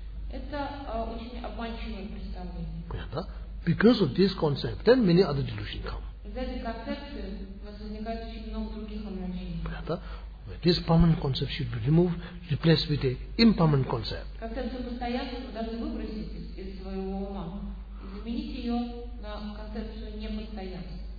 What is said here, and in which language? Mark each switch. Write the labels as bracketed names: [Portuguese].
[Russian] Это очень обманчивое представление. Понятно, да? [English] Because of this concept, then many other delusions come. [Russian] Из этой концепции возникает очень много других обманчиков. Понятно, да? [English] This permanent concept should be removed, replaced with an impermanent concept. [Russian] Концепцию постоянную должны выбросить из своего ума. Изменить ее на концепцию непостоянную.